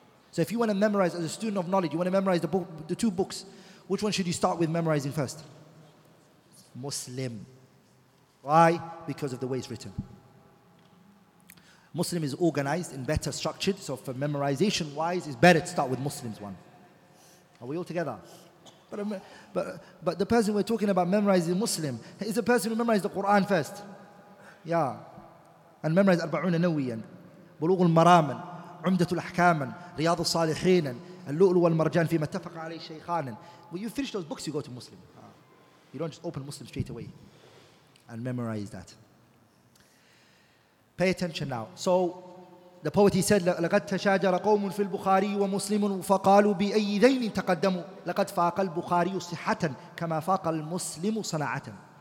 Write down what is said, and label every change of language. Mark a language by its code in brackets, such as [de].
[en] So if you want to memorize, as a student of knowledge, you want to memorize the two books, which one should you start with memorizing first? Muslim. Why? Because of the way it's written. Muslim is organized and better structured, so for memorization-wise, it's better to start with Muslim's one. Are we all together? But the person we're talking about memorizing Muslim is the person who memorized the Quran first. Yeah. [ar] And memorized أربعون نوياً بلوغ المرامن عمدة الأحكامن رياض الصالحين اللؤلؤ والمرجان فيما اتفق عليه الشيخان. [en] When you finish those books, you go to Muslim. You don't just open Muslim straight away and memorize that. [ar] Pay attention now. So the poet he said, لَقَدْ تَشَاجَرَ قَوْمٌ فِي الْبُخَارِيُّ وَمُسْلِمٌ فَقَالُوا بِأَيِّ ذَيْنٍ تَقَدَّمُوا لَقَدْ فَاقَ الْبُخَارِيُّ صِحَّةً كَمَا فَاقَ الْمُسْلِمُ صَنَعَةً.